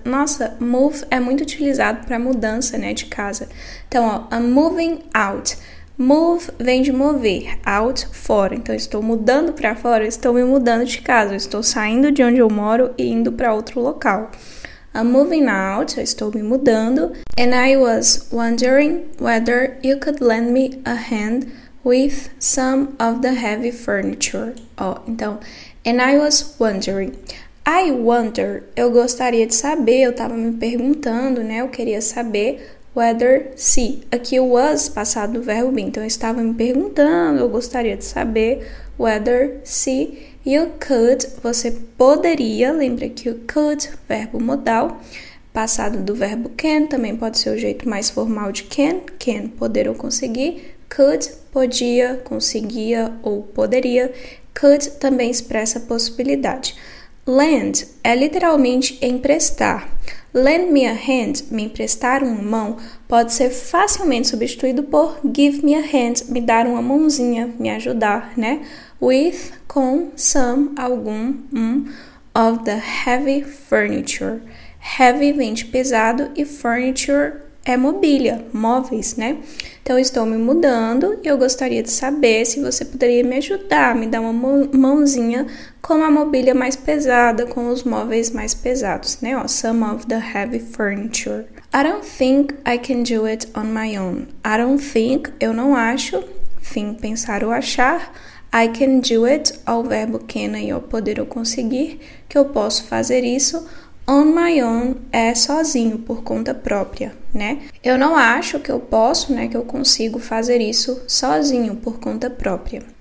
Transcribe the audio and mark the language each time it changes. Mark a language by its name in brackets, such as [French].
[Portuguese] Nossa, move é muito utilizado para mudança, né, de casa. Então, ó, [English] I'm moving out. [Portuguese] Move vem de mover, out, fora. Então, estou mudando para fora, estou me mudando de casa. Estou saindo de onde eu moro e indo para outro local. [English] I'm moving out, [Portuguese] eu estou me mudando. [English] And I was wondering whether you could lend me a hand with some of the heavy furniture. Oh, [Portuguese] então, [English] and I was wondering. [Portuguese] I wonder, eu gostaria de saber, eu estava me perguntando, né? Eu queria saber whether, se. Aqui o was passado do verbo be. Então, eu estava me perguntando, eu gostaria de saber whether, se. [English] You could, [Portuguese] você poderia, lembra que o could, verbo modal, passado do verbo can, também pode ser o jeito mais formal de can, can, poder ou conseguir, could, podia, conseguia ou poderia, could também expressa a possibilidade. Lend é literalmente emprestar. [English] Lend me a hand, [Portuguese] me emprestar uma mão, pode ser facilmente substituído por [English] give me a hand, [Portuguese] me dar uma mãozinha, me ajudar, né? [English] With, com, some, algum, of the heavy furniture. [Portuguese] Heavy vem de pesado e furniture é mobília, móveis, né? Então, estou me mudando e eu gostaria de saber se você poderia me ajudar, me dar uma mãozinha com a mobília mais pesada, com os móveis mais pesados, né? [English] Ó, some of the heavy furniture. I don't think I can do it on my own. I don't think, [Portuguese] eu não acho, think, pensar ou achar. [English] I can do it, [Portuguese] ao verbo can aí, ao poder ou conseguir, que eu posso fazer isso. [English] On my own [Portuguese] é sozinho, por conta própria, né? Eu não acho que eu posso, né, que eu consigo fazer isso sozinho, por conta própria.